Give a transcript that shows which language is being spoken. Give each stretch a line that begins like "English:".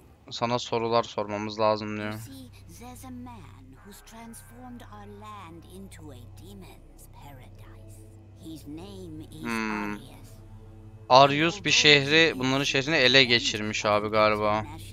Turkish: Sana sorular sormamız lazım diyor.
English: There's a man who's transformed our land into a demon's paradise. His name is Arius.
Turkish: Arius bir şehri, bunların şehrini ele geçirmiş abi galiba.